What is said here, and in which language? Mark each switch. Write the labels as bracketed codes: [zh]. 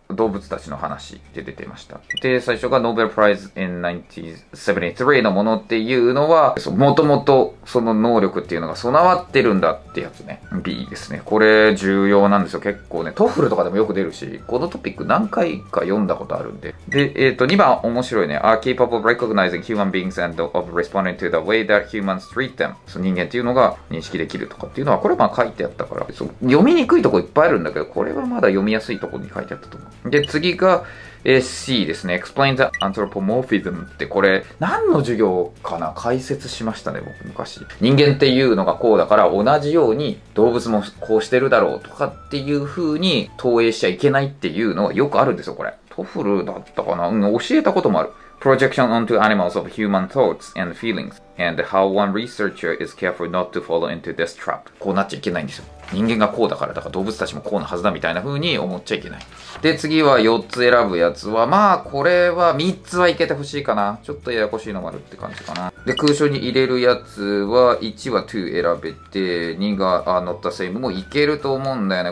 [ja] 動物たちの話で出てました。で最初がノーベルプライズ in 1973のものっていうのは、もともとその能力っていうのが備わってるんだってやつね。B ですね。これ重要なんですよ。結構ねトフルとかでもよく出るし、このトピック何回か読んだことあるんで。で2番面白いね。 [en] Are capable of recognizing human beings and of responding to the way that humans treat them。 [ja] その人間っていうのが認識できるとかっていうのは、これまあ書いてあったから、そ読みにくいとこいっぱいあるんだけど、これはまだ読みやすいところに書いてあったと思う。で次が C ですね。 [en] Explain the anthropomorphism [ja] って、これ何の授業かな、解説しましたね僕昔。人間っていうのがこうだから、同じように動物もこうしてるだろうとかっていう風に投影しちゃいけないっていうのはよくあるんですよ。これトフルだったかな、教えたこともある。 [en] Projection onto animals of human thoughts and feelings and how one researcher is careful not to fall into this trap。 [ja] こうなっちゃいけないんですよ。人間がこうだから、だから動物たちもこうなはずだみたいな風に思っちゃいけない。で次は4つ選ぶやつは、まあこれは3つはいけてほしいかな、ちょっとややこしいのもあるって感じかな。で空所に入れるやつは1は2選べて、2が [en] not the same [ja] もいけると思うんだよね。